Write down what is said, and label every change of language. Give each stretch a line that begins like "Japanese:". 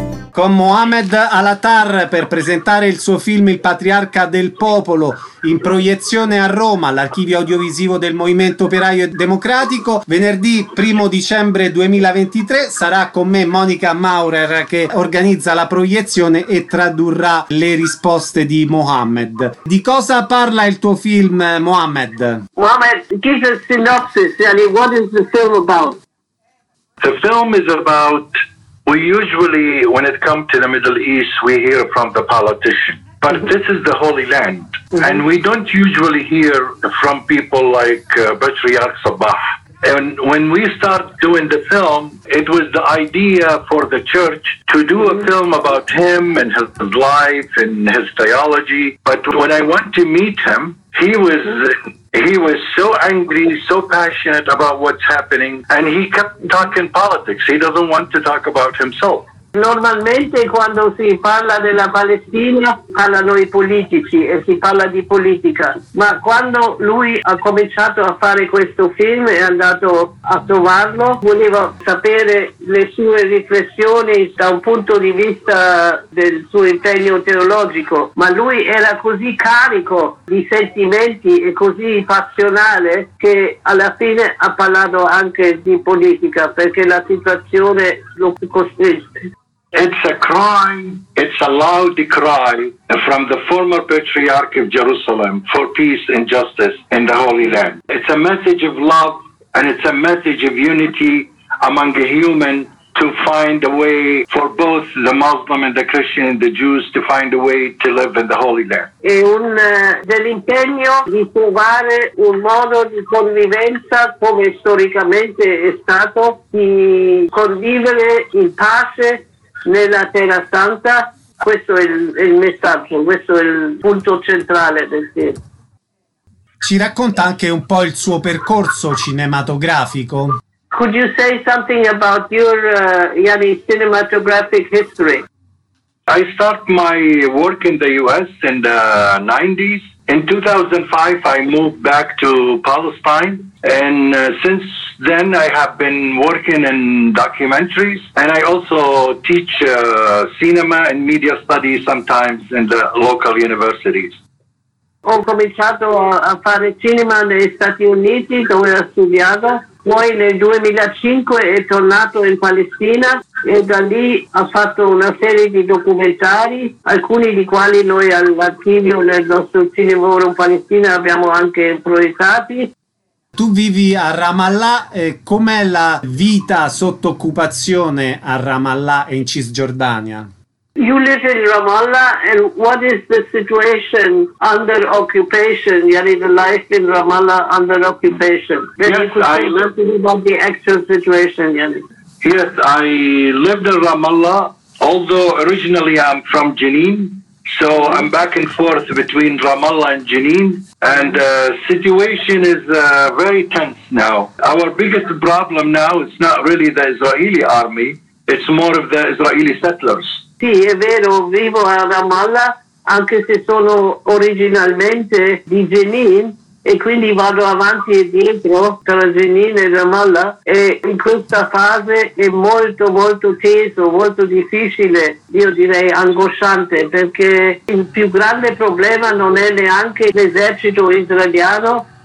Italian: Con Mohamed Alatar per presentare il suo film Il Patriarca del Popolo, in proiezione a Roma, all'archivio audiovisivo del Movimento Operaio e Democratico. Venerdì 1 dicembre 2023 sarà con me Monica Maurer, che organizza la proiezione e tradurrà le risposte di Mohamed. Di cosa parla il tuo film, Mohamed?
English: Mohamed, give a synopsis, and what is the film about? The film is about... We usually, when it comes to the Middle East, we hear from the politician. But mm-hmm. this is the Holy Land. Mm-hmm. And we don't usually hear from people like Patriarch Sabah. And when we start doing the film, it was the idea for the church to do mm-hmm. a film about him and his life and his theology. But when I went to meet him, he was... Mm-hmm. He was so angry, so passionate about what's happening, and he kept talking politics. He doesn't want to talk about himself.
Italian: Normalmente quando si parla della Palestina parlano i politici e si parla di politica, ma quando lui ha cominciato a fare questo film è andato a trovarlo, voleva sapere le sue riflessioni da un punto di vista del suo impegno teologico, ma lui era così carico di sentimenti e così passionale che alla fine ha parlato anche di politica perché la situazione lo costringe.
English: It's a cry, it's a loud cry from the former Patriarch of Jerusalem for peace and justice in the Holy Land. It's a message of love and it's a message of unity among the human to find a way for both the Muslim and the Christian and the Jews to find a way to live in the Holy Land.
Italian: È un dell'impegno di trovare un modo di convivenza come storicamente è stato, di convivere in pace nella Terra Santa. Questo è il messaggio, questo è il punto centrale del film. Ci racconta anche un po' il suo percorso cinematografico.
English: Could you say something about your cinematographic history? I start my work in the US in the 90s. In 2005 I moved back to Palestine. And since then I have been working in documentaries and I also teach cinema and media studies sometimes in the local universities.
Italian: Ho cominciato a fare cinema negli Stati Uniti dove ho studiato, poi nel 2005 è tornato in Palestina e da lì ha fatto una serie di documentari, alcuni di quali noi all'archivio nel nostro Cinema Forum Palestina abbiamo anche proiettati. Tu vivi a Ramallah, com'è la vita sotto occupazione a Ramallah e in Cisgiordania?
English: You live in Ramallah and what is the situation under occupation, yani the life in Ramallah under occupation? Yes, you could tell us about the actual situation, yani. Yes, I lived in Ramallah, although originally I'm from Jenin. So I'm back and forth between Ramallah and Jenin, and the situation is very tense now. Our biggest problem now is not really the Israeli army, it's more of the Israeli settlers.
Italian: Sì, è vero, vivo a Ramallah, anche se sono originalmente di Jenin, e quindi vado avanti e dietro tra Jenin e Ramallah, e in questa fase è molto molto teso, molto difficile, io direi angosciante, perché il più grande problema non è neanche l'esercito israeliano,